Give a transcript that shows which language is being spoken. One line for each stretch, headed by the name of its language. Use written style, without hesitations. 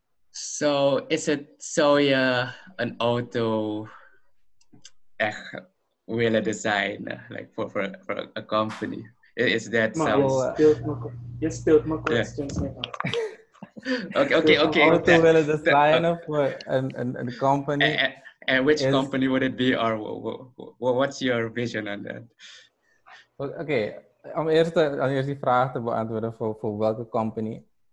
Dutch: So, is het zo je een auto echt willen designen,
English: like for a company? Is that
Dutch: Je stelt me questions. Oké. Een auto willen designen voor een company.
English: And which company would it be, or what's your vision on that?
Dutch: Okay, om eerst die vraag te beantwoorden voor welke company.